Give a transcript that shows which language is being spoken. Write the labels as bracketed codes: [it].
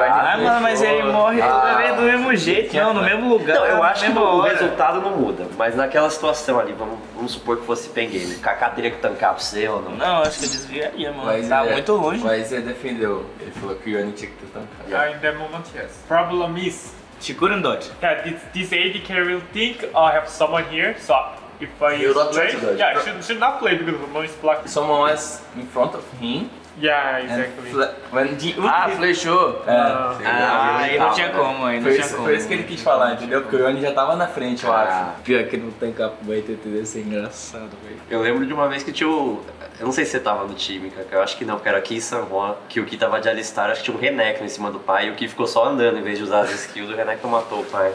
[pt] Ah, mano, mas ele morre do mesmo jeito. Não, no mesmo lugar. Não, eu acho que o resultado não muda. Mas naquela situação ali, vamos supor que fosse Pain Game. Kaká teria que tancar pro seu ou não? Não, acho que eu desviaria, mano. Mas tá muito longe. Mas ele defendeu. Ele falou que o Yone tinha que ter tancado. [en] Ah, in that moment, yes. Problem is. Chikurandot. That this AD carry will think, I have someone here, so if I play, should not play because the most black. Someone was in front of him. Yeah, exactly. [pt] Flechou. Aí não tinha como, aí não tinha como. Foi isso que ele quis falar, entendeu? Porque o Yoni já tava na frente, eu acho. Pior que não tem capo, vai ter TD, isso é engraçado, velho. Eu lembro de uma vez que tinha o... Eu não sei se você tava no time, Kaká, eu acho que não, porque era aqui em San Juan, que o Ki tava de Alistar, acho que tinha um Renekton em cima do pai, e o Ki ficou só andando, em vez de usar as skills, o Renekton matou o pai.